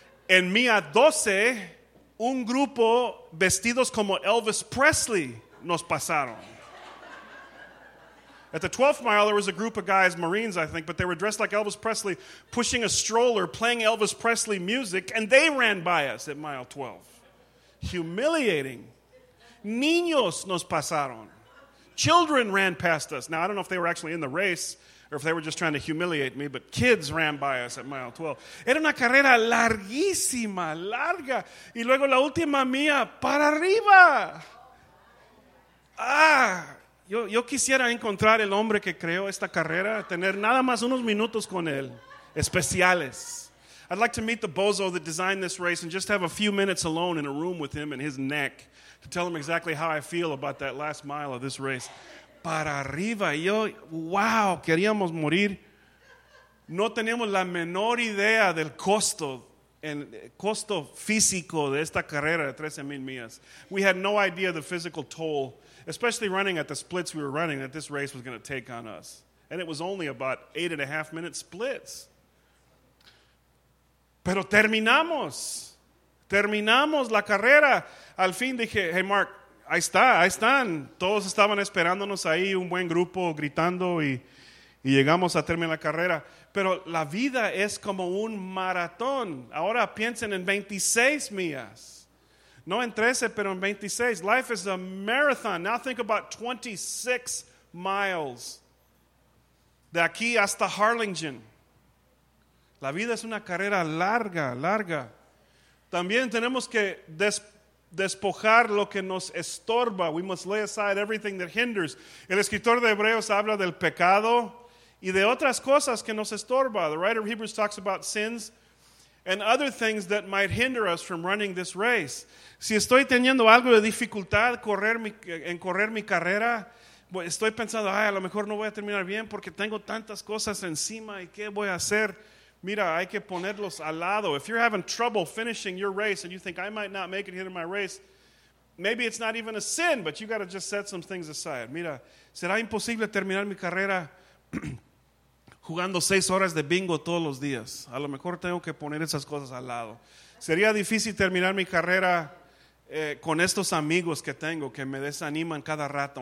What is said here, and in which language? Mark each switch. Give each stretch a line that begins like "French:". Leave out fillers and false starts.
Spanish: En Mía 12, un grupo vestidos como Elvis Presley nos pasaron.
English: At the 12th mile, there was a group of guys, Marines, I think, but they were dressed like Elvis Presley, pushing a stroller, playing Elvis Presley music, and they ran by us at mile 12. Humiliating.
Spanish: Niños nos pasaron.
English: Children ran past us. Now, I don't know if they were actually in the race or if they were just trying to humiliate me, but kids ran by us at mile 12.
Spanish: Era una carrera larguísima, larga. Y luego la última mía, para arriba. Ah, yo quisiera encontrar el hombre que creó esta carrera, tener nada más unos minutos con él, especiales.
English: I'd like to meet the bozo that designed this race and just have a few minutes alone in a room with him and his neck to tell him exactly how I feel about that last mile of this race.
Spanish: Para arriba, yo, wow, queríamos morir. No tenemos la menor idea del costo, el costo físico de esta carrera de 13,000 millas.
English: We had no idea the physical toll, especially running at the splits we were running, that this race was going to take on us. And it was only about 8.5 minute splits.
Spanish: Pero terminamos. Terminamos la carrera. Al fin dije, hey Mark, ahí está, ahí están. Todos estaban esperándonos ahí, un buen grupo gritando y llegamos a terminar la carrera. Pero la vida es como un maratón. Ahora piensen en 26 millas. No en 13, pero en 26.
English: Life is a marathon. Now think about 26 miles.
Spanish: De aquí hasta Harlingen. La vida es una carrera larga, larga. También tenemos que despojar lo que nos estorba.
English: We must lay aside everything that hinders.
Spanish: El escritor de Hebreos habla del pecado y de otras cosas que nos estorba.
English: The writer of Hebrews talks about sins and other things that might hinder us from running this race.
Spanish: Si estoy teniendo algo de dificultad correr mi carrera, estoy pensando, ay, a lo mejor no voy a terminar bien porque tengo tantas cosas encima y qué voy a hacer. Mira, hay que ponerlos al lado.
English: If you're having trouble finishing your race and you think I might not make it here in my race, maybe it's not even a sin, but you got to just set some things aside.
Spanish: Mira, será imposible terminar mi carrera jugando 6 horas de bingo todos los días. A lo mejor tengo que poner esas cosas al lado. Sería difícil terminar mi carrera con estos amigos que tengo que me desaniman cada rato.